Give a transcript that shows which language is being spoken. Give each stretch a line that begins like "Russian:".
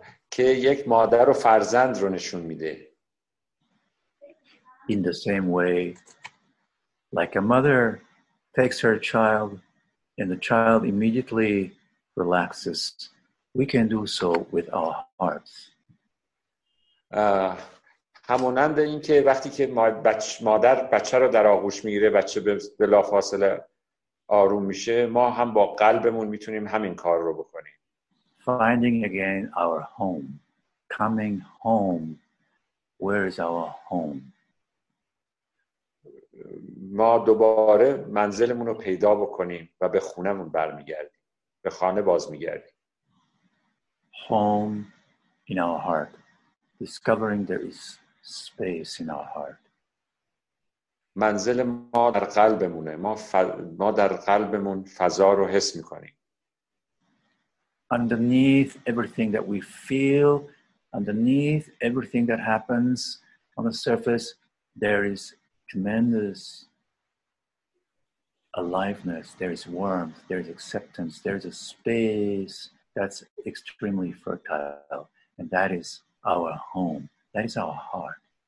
Persian: که یک مادر و فرزند رو نشون میده.
English: In the same way, like a mother takes her child and the child immediately relaxes, we can do so with our hearts.
Persian: همونند این که وقتی که مادر بچه رو در آغوش میگیره، بچه بلافاصله آروم میشه، ما هم با قلبمون میتونیم همین کار رو بکنیم.
English: Finding again our home, coming home. Where is our home?
Persian: ما دوباره منزلمون رو پیدا بکنیم و به خونمون برمیگردیم، به خانه باز میگردیم.
English: Home in our heart, discovering there is space in our heart.
Persian: منزل ما در قلبمونه. ما در قلبمون فضا رو حس میکنیم.
English: Underneath everything that we feel, underneath everything that happens on the surface, there is tremendous aliveness, there is warmth, there is acceptance, there is a space that's extremely fertile, and that is our home, that is our heart.